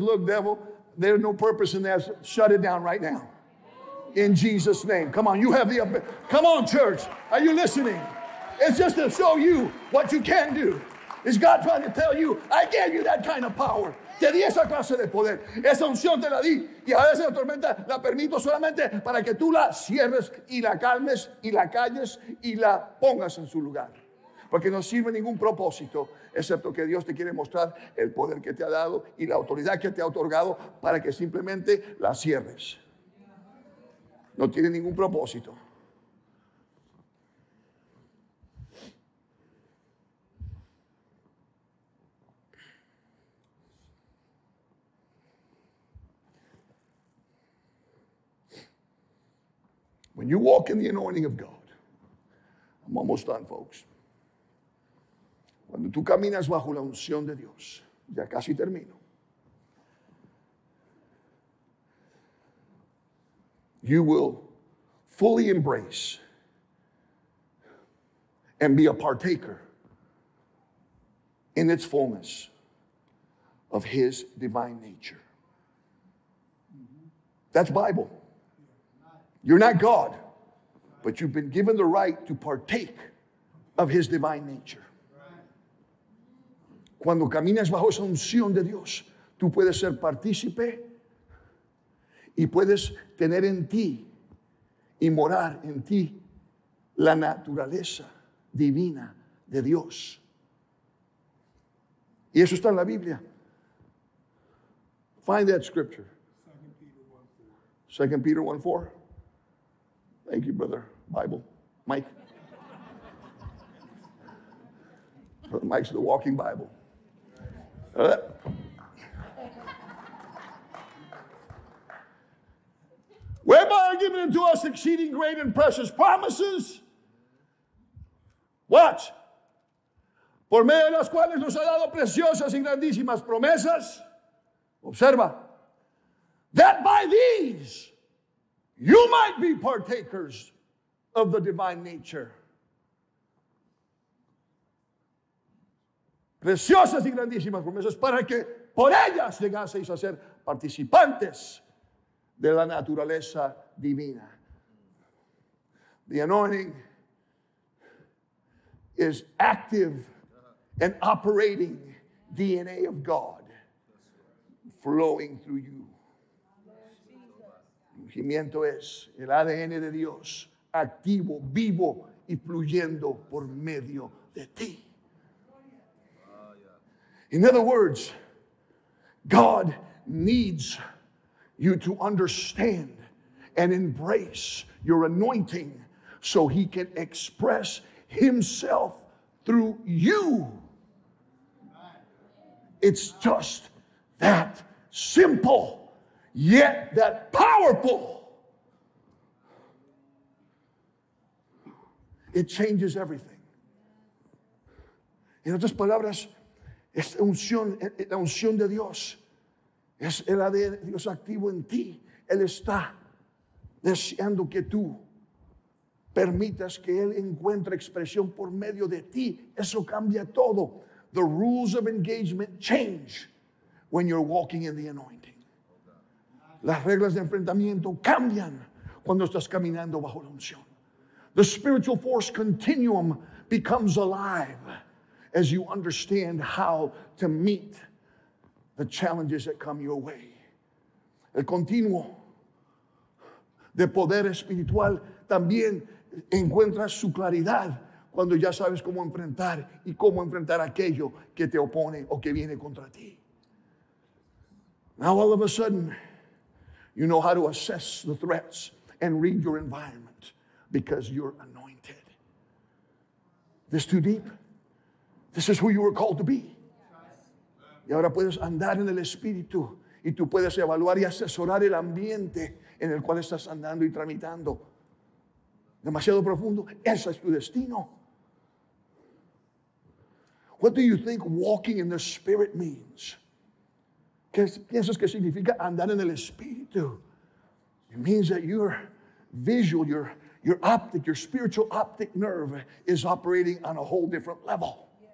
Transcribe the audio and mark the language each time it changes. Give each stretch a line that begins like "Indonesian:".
English: Look, devil, there's no purpose in that. Shut it down right now. In Jesus' name. Come on, you have the ability. Come on, church. Are you listening? It's just to show you what you can do. Is God trying to tell you, I gave you that kind of power.
Spanish: Te di esa clase de poder. Esa unción te la di. Y a veces la tormenta la permito solamente para que tú la cierres y la calmes y la calles y la pongas en su lugar. Porque no sirve ningún propósito, excepto que Dios te quiere mostrar el poder que te ha dado y la autoridad que te ha otorgado para que simplemente la cierres. No tiene ningún propósito.
English: When you walk in the anointing of God, I'm almost done, folks.
Spanish: Cuando tú caminas bajo la unción de Dios, ya casi termino.
English: You will fully embrace and be a partaker in its fullness of His divine nature. That's Bible. You're not God, but you've been given the right to partake of His divine nature.
Spanish: Cuando caminas bajo esa unción de Dios, tú puedes ser partícipe y puedes tener en ti y morar en ti la naturaleza divina de Dios. Y eso está en la Biblia.
English: Find that scripture. 2 Peter 1:4. Thank you, brother. Bible. Mike. Brother Mike's the walking Bible. Whereby are given unto us exceeding great and precious promises. Watch.
Spanish: Por medio de las cuales nos ha dado preciosas y grandísimas promesas. Observa.
English: That by these you might be partakers of the divine nature.
Spanish: Preciosas y grandísimas promesas para que por ellas llegaseis a ser participantes de la naturaleza divina.
English: The anointing is active and operating DNA of God flowing through you.
Spanish: El ungimiento es el ADN de Dios activo, vivo y fluyendo por medio de ti.
English: In other words, God needs you to understand and embrace your anointing so He can express Himself through you. It's just that simple, yet that powerful. It changes everything.
Spanish: En otras palabras, la unción de Dios es el ADN de Dios activo en ti. Él está deseando que tú permitas que Él encuentre expresión por medio de ti. Eso cambia todo.
English: The rules of engagement change when you're walking in the anointing.
Spanish: Las reglas de enfrentamiento cambian cuando estás caminando bajo la unción.
English: The spiritual force continuum becomes alive as you understand how to meet the challenges that come your way.
Spanish: El continuo de poder espiritual también encuentra su claridad cuando ya sabes cómo enfrentar y cómo enfrentar aquello que te opone o que viene contra ti.
English: Now all of a sudden, you know how to assess the threats and read your environment because you're anointed. This too deep? This is who you were called to be.
Spanish: Y ahora puedes andar en el Espíritu y tú puedes evaluar y asesorar el ambiente en el cual estás andando y tramitando. Demasiado profundo. Ese es tu destino.
English: What do you think walking in the Spirit means?
Spanish: ¿Qué piensas que significa andar en el Espíritu?
English: It means that your visual, your optic, your spiritual optic nerve is operating on a whole different level.